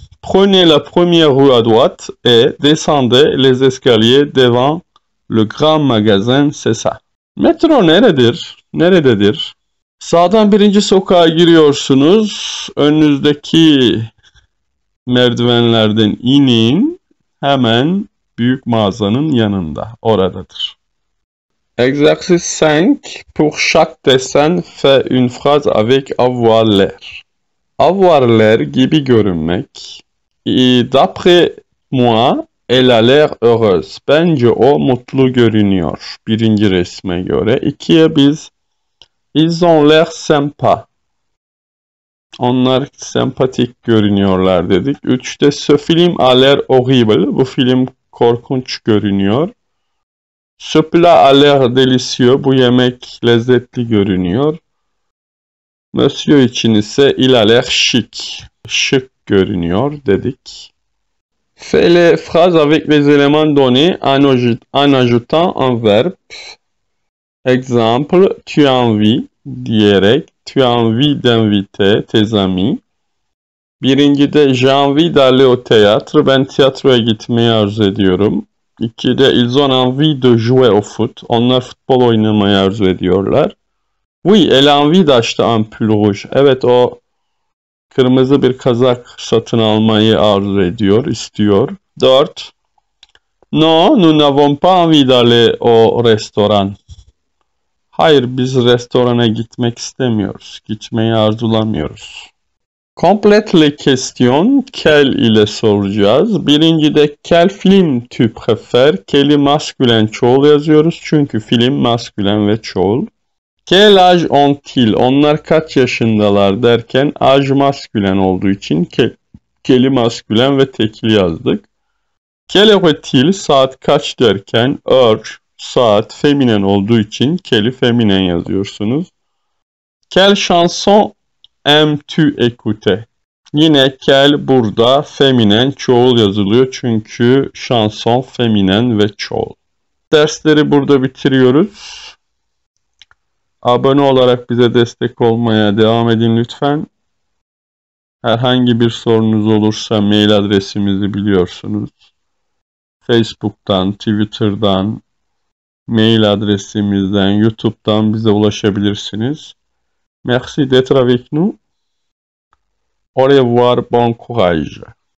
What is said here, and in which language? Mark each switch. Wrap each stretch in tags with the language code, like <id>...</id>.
<fr>Prenez la première rue à droite et descendez les escaliers devant le grand magasin, c'est ça.</fr> <tr>Metro neredir? Nerededir? Sağdan birinci sokağa giriyorsunuz. Önünüzdeki merdivenlerden inin, hemen büyük mağazanın yanında, oradadır.</tr> <fr>Exercice 5. Pour chaque dessin, fais une phrase avec avoir l'air. Avoir l'air</fr> <tr>gibi görünmek.</tr> <fr>D'après moi, elle a l'air heureuse.</fr> <tr>Bence o mutlu görünüyor. Birinci resme göre. İkiye biz,</tr> <fr>ils ont l'air sympa.</fr> <tr>Onlar sempatik görünüyorlar dedik. Üçte</tr> <fr>ce film a l'air horrible.</fr> <tr>Bu film korkunç görünüyor.</tr> <fr>Ce plat a l'air délicieux.</fr> <tr>Bu yemek lezzetli görünüyor. Monsieur için ise</tr> <fr>il a l'air chic.</fr> <tr>Şık görünüyor dedik.</tr> <fr>Fais les phrases avec les éléments donnés en ajoutant un verbe. Exemple, tu as envie</fr> <tr>diyerek.</tr> <fr>Tu as envie d'inviter tes amis.</fr> <tr>Birinci de</tr> <fr>j'ai envie d'aller au théâtre.</fr> <tr>Ben tiyatroya gitmeyi arzu ediyorum. İki de</tr> <fr>ils ont envie de jouer au foot.</fr> <tr>Onlar futbol oynamayı arzu ediyorlar.</tr> <fr>Oui, elle a envie d'acheter un pull rouge.</fr> <tr>Evet, o kırmızı bir kazak satın almayı arzu ediyor, istiyor. Dört.</tr> <fr>Non, nous n'avons pas envie d'aller au restaurant.</fr> <tr>Hayır, biz restorana gitmek istemiyoruz. Gitmeyi arzulamıyoruz.</tr> <fr>Complète la question,</fr> <tr>quel ile soracağız. Birinci de</tr> <fr>quel film tu préfères?</fr> <tr>Quel'i maskülen çoğul yazıyoruz. Çünkü film maskülen ve çoğul.</tr> <fr>Quel âge ont-ils?</fr> <tr>Onlar kaç yaşındalar derken âge maskülen olduğu için quel'i maskülen ve tekil yazdık.</tr> <fr>Quelle heure-t-il?</fr> <tr>Saat kaç derken heure, saat feminen olduğu için quel'i feminen yazıyorsunuz.</tr> <fr>Quelle chanson aimes-tu écouter?</fr> <tr>Yine quel burada feminen çoğul yazılıyor çünkü şanson feminen ve çoğul. Dersleri burada bitiriyoruz. Abone olarak bize destek olmaya devam edin lütfen. Herhangi bir sorunuz olursa mail adresimizi biliyorsunuz. Facebook'tan, Twitter'dan, mail adresimizden, YouTube'dan bize ulaşabilirsiniz.</tr> <fr>Merci d'être avec nous. Au revoir, bon courage.</fr>